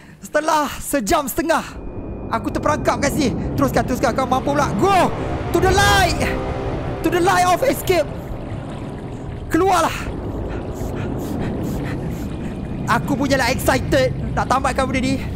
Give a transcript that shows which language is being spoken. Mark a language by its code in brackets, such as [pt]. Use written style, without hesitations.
[ms] Setelah sejam setengah aku terperangkap kat sini. Teruskan, teruskan. Kau mampu pula. [en] Go to the light, to the light of escape. [ms] Keluarlah. Aku punya lah excited nak tamatkan benda ni.